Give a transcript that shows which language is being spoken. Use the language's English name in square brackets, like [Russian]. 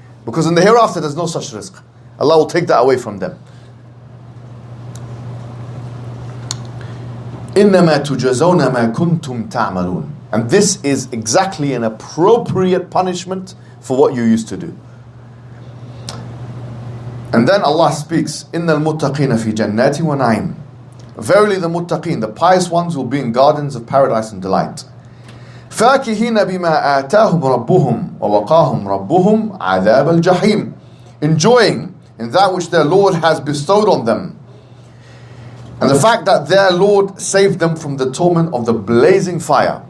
[English] Because in the hereafter, there's no such risk. Allah will take that away from them. [Arabic] إِنَّمَا تُجَزَوْنَ مَا كُنْتُمْ تَعْمَلُونَ. [English] And this is exactly an appropriate punishment for what you used to do. And then Allah speaks, [Arabic] إِنَّ الْمُتَّقِينَ فِي جَنَّاتٍ وَنَعِيمٍ. [English] Verily the muttaqeen, the pious ones, will be in gardens of paradise and delight. [Arabic] فَاكِهِينَ بِمَا آتَاهُمْ رَبُّهُمْ وَوَقَاهُمْ رَبُّهُمْ عَذَابَ الْجَحِيمِ. [English] Enjoying in that which their Lord has bestowed on them. And the fact that their Lord saved them from the torment of the blazing fire.